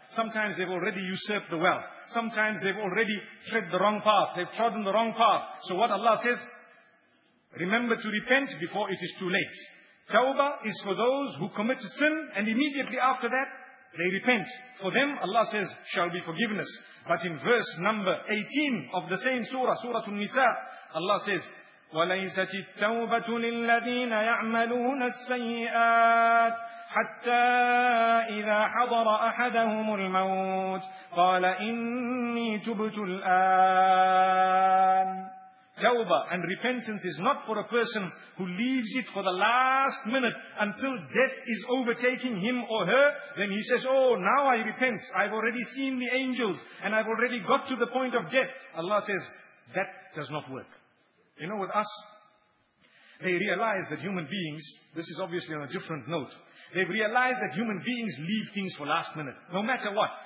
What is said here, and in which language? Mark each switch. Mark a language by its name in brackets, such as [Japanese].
[English] Sometimes they've already usurped the wealth. Sometimes they've already tread the wrong path. They've trodden the wrong path. So what Allah says, remember to repent before it is too late. Tawbah is for those who commit a sin and immediately after that, they repent. For them, Allah says, shall be forgiveness. But in verse number 18 of the same surah, Surah An-Nisa, Allah says, [Arabic] وَلَيْسَتِ التَّوْبَةُ لِلَّذِينَ يَعْمَلُونَ السَّيِّئَاتِ حَتَّى إِذَا حَضَرَ أَحَدَهُمُ الْمَوْتِ قَالَ إِنِّي تُبْتُ الْآنَ. [English] Tawbah and repentance is not for a person who leaves it for the last minute until death is overtaking him or her. Then he says, oh, now I repent. I've already seen the angels and I've already got to the point of death. Allah says, that does not work. You know, with us, they realize that human beings, this is obviously on a different note, they've realized that human beings leave things for last minute. No matter what.